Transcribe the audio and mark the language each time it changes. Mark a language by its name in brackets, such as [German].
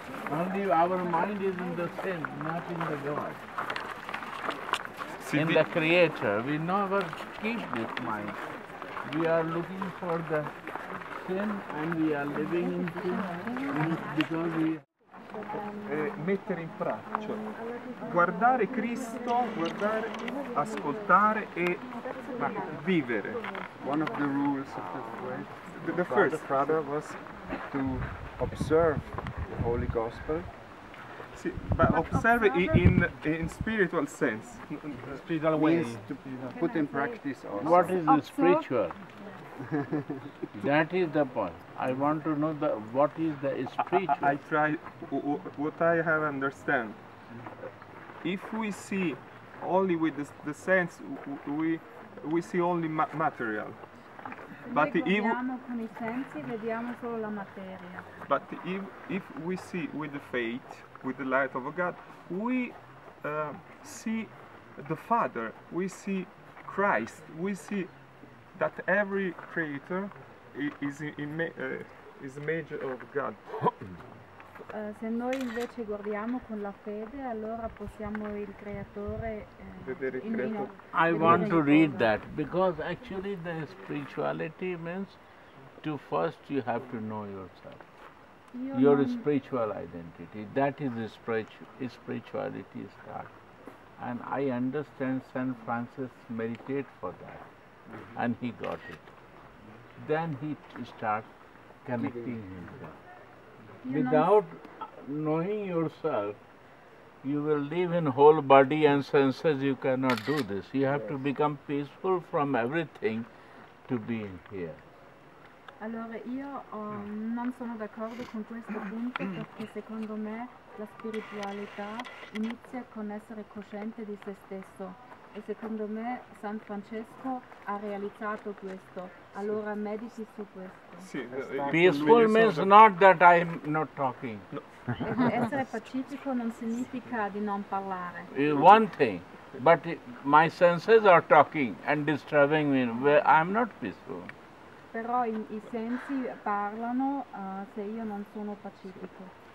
[English] Only our mind is in the sin, not in the God. In the Creator, we never keep this mind. We are looking for the sin and we are living in sin because we... [Italian] Mettere in pratica, cioè guardare Cristo, guardare, ascoltare e vivere. [English] One of the rules of this way, the first father was to observe the Holy Gospel. Sì, but observe in spiritual sense. Spiritual ways. To put in practice also. What is the spiritual? That is the point. I want to know the what is the spiritual. I try what I have understand. If we see only with the sense, we see only material. But if we see with the faith, with the light of God, we see the Father, we see Christ, we see that every creator is image of God. [Italian] Se noi invece guardiamo con la fede, allora possiamo il creatore vedere il creatore. [English] I want to read that because actually the spirituality means to first you have to know yourself. Your spiritual identity, that is the spirituality start. And I understand Saint Francis meditate for that. And he got it. then he starts connecting himself. Without knowing yourself, you will live in whole body and senses, you cannot do this. You have to become peaceful from everything to be in here. [Italian] Allora io non sono d'accordo con questo punto perché secondo me la spiritualità inizia con essere cosciente di se stesso e secondo me San Francesco ha realizzato questo, allora mediti su questo. Sì, [English] peaceful means not that I'm not talking. [Italian] No. Essere pacifico non significa di non parlare. [English] One thing, but my senses are talking and disturbing me, well, I'm not peaceful. [Italian] Però i sensi parlano se io non sono pacifico.